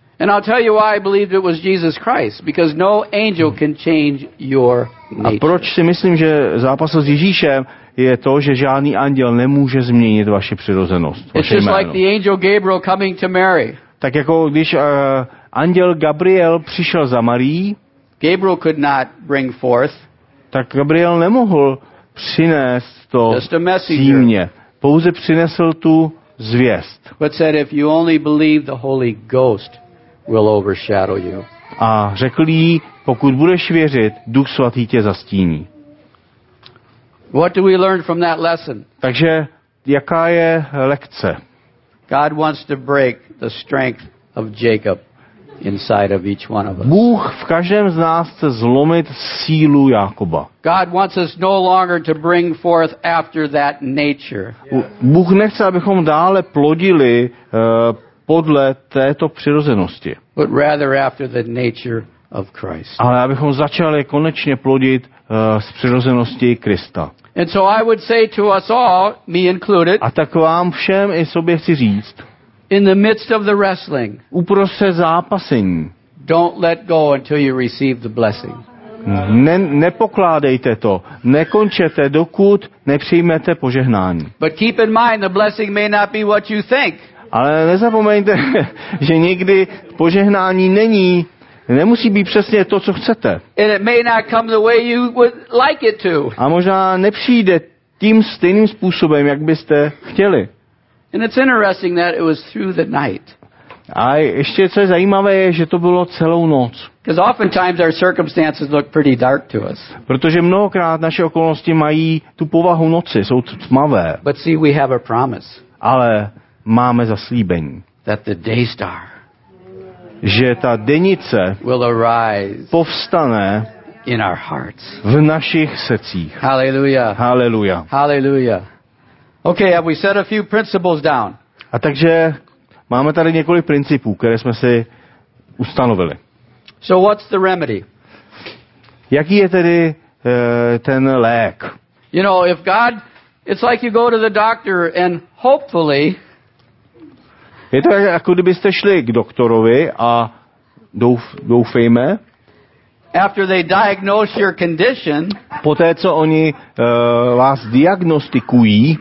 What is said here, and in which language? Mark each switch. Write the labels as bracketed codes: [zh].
[en] And I'll tell you why I believed it was Jesus Christ, because no angel can change your nature. [cs] A proč si myslím, že zápas s Ježíšem je to, že žádný anděl nemůže změnit vaši přirozenost, vaše jméno. [en] It's just like the angel Gabriel coming to Mary. [cs] Tak jako když anděl Gabriel přišel za Marii, [en] Gabriel could not bring forth. [cs] Tak Gabriel nemohl přinést to símě. Pouze přinesl tu zvěst. [en] But said if you only believe the Holy Ghost will overshadow you. [cs] A řekl jí, pokud budeš věřit, Duch svatý tě zastíní. [en] What do we learn from that lesson? [cs] Takže jaká je lekce? [en] God wants to break the strength of Jacob inside of each one of us. [cs] Bůh v každém z nás chce zlomit sílu Jákoba. [en] God wants us no longer to bring forth after that nature. [cs] Bůh nechce, abychom dále plodili podle této přirozenosti. [en] But rather after the nature of Christ. [cs] Ale abychom začali konečně plodit z přirozenosti Krista. [en] And so I would say to us all, me included. [cs] A tak vám všem i sobě chci říct. [en] In the midst of the wrestling. [cs] Uprostřed zápasení. [en] Don't let go until you receive the blessing. [cs] Nepokládejte to. Nekončete, dokud nepřijmete požehnání. [en] But keep in mind the blessing may not be what you think. [cs] Ale nezapomeňte, že někdy požehnání nemusí být přesně to, co chcete. [en] And it may not come the way you would like it to. [cs] A možná nepřijde tím stejným způsobem, jak byste chtěli. [en] And it's interesting that it was through the night. [cs] A ještě co je zajímavé je, že to bylo celou noc. [en] Because oftentimes our circumstances look pretty dark to us. [cs] Protože mnohokrát naše okolnosti mají tu povahu noci, jsou tmavé. [en] But see, we have a promise. [cs] Ale máme zaslíbení. [en] That the day star. [cs] Že ta denice [en] will arise. [cs] Povstane [en] in our hearts. [cs] V našich srdcích. Hallelujah. Hallelujah. Hallelujah. [en] Okay, have we set a few principles down? [cs] A takže máme tady několik principů, které jsme si ustanovili. [en] So what's the remedy? [cs] Jaký je tedy ten lék? [en] You know, if God, it's like you go to the doctor and hopefully. [cs] Je to jako kdybyste šli k doktorovi a doufejme. [en] After they diagnose your condition, [cs] poté co oni vás diagnostikují,